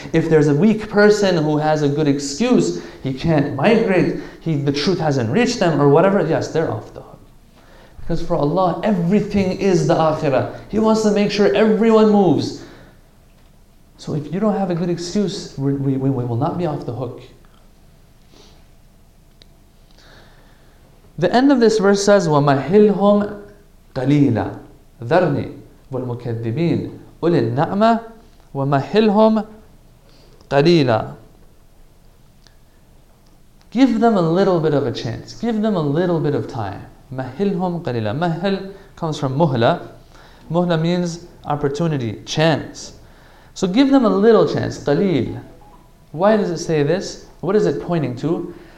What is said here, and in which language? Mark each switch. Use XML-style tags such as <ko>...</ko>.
<en>If there's a weak person who has a good excuse, he can't migrate, the truth hasn't reached them or whatever, yes, they're off the hook. Because for Allah, everything is the Akhirah. He wants to make sure everyone moves. So if you don't have a good excuse, we will not be off the hook. The end of this verse says,</en> <ar>وَمَهِلْهُمْ قَلِيلًا ذَرْنِي وَالْمُكَذِّبِينَ أُولِ النَّعْمَةِ وَمَهِلْهُمْ قَلِيلًا.</ar> <en>Give them a little bit of a chance. Give them a little bit of time.</en> <ar>مَهِلْهُمْ قَلِيلًا.</ar> <en>مَهِلْ comes from مُهْلَة. مُهْلَة means opportunity, chance. So give them a little chance. قَلِيل. Why does it say this? What is it pointing to?</en>